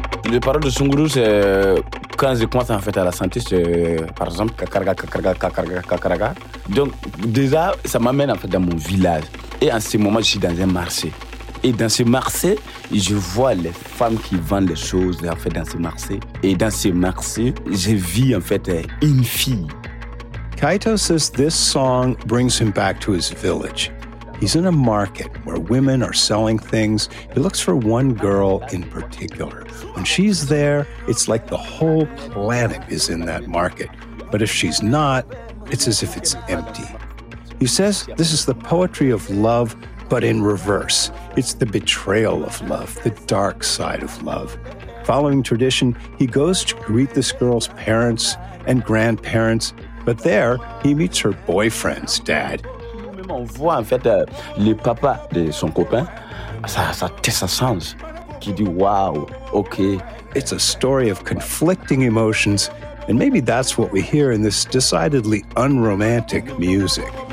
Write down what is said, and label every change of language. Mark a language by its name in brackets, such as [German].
[French] Les paroles de Songuru, c'est quand je commence en fait à la sentir, c'est par exemple kakaraga, kakaraga, kakaraga, kakaraga. Donc déjà, ça m'amène en fait dans mon village. Et en ce moment, je suis dans un marché. Et dans ce marché, je vois les femmes qui vendent les choses en fait dans ce marché. Et dans ce marché, je vis en fait une fille. [English] Kaito says this song brings him back to his village. He's in a market where women are selling things. He looks for one girl in particular. When she's there, it's like the whole planet is in that market. But if she's not, it's as if it's empty. He says this is the poetry of love, but in reverse. It's the betrayal of love, the dark side of love. Following tradition, he goes to greet this girl's parents and grandparents, but there he meets her boyfriend's dad. [French] On voit en fait le papa de son copain, ça tient sa sens, qui dit wow, ok. [English] It's a story of conflicting emotions, and maybe that's what we hear in this decidedly unromantic music.